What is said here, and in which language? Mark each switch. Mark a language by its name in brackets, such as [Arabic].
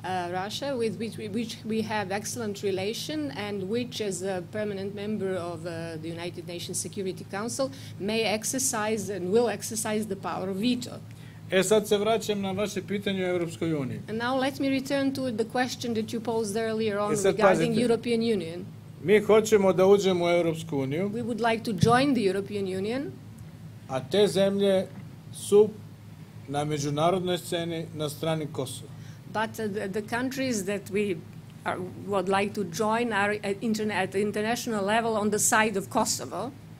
[English] Russia, with which we have excellent relation and which, as a permanent member of the United Nations Security Council, may exercise and will exercise the power of veto. [Serbian] E sad se vraćam na vaše pitanje o Evropskoj uniji. [English] And now let me return to the question that you posed earlier on regarding European Union. [Serbian] Mi hoćemo da uđemo u Evropsku uniju. [English] We would like to join the European Union. [Serbian] A te zemlje su na međunarodnoj sceni na strani Kosova. [English] But the countries that we would like to join are at international level on the side of Kosovo.